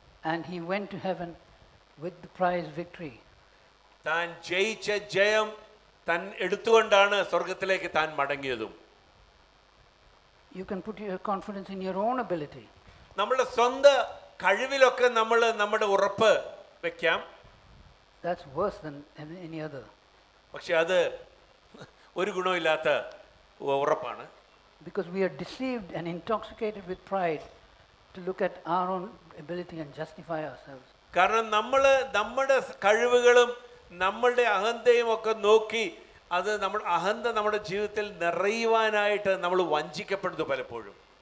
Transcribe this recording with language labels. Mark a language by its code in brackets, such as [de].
[en] And he went to heaven with the prize victory. [ml] താൻ ജയിച്ച ജയം തൻ എടുത്തുകൊണ്ടാണ് സ്വർഗ്ഗത്തിലേക്ക് താൻ മടങ്ങിയതും. [en] You can put your confidence in your own ability. [ml] നമ്മുടെ സ്വന്തം കഴിവിലൊക്കെ നമ്മൾ നമ്മുടെ ഉറപ്പ് വെക്കാം. [en] That's worse than any other. [ml] പക്ഷേ അത് ഒരു ഗുണമില്ലാത്ത ഉറപ്പാണ്. [en] Because we are deceived and intoxicated with pride to look at our own ability and justify ourselves. [ml] കാരണം നമ്മൾ നമ്മുടെ കഴിവുകളും നമ്മളുടെ അഹന്തയും ഒക്കെ നോക്കി അത് നമ്മൾ അഹന്ത നമ്മുടെ ജീവിതത്തിൽ നിറയുവാനായിട്ട് നമ്മൾ വഞ്ചിക്കപ്പെടുന്നു പലപ്പോഴും.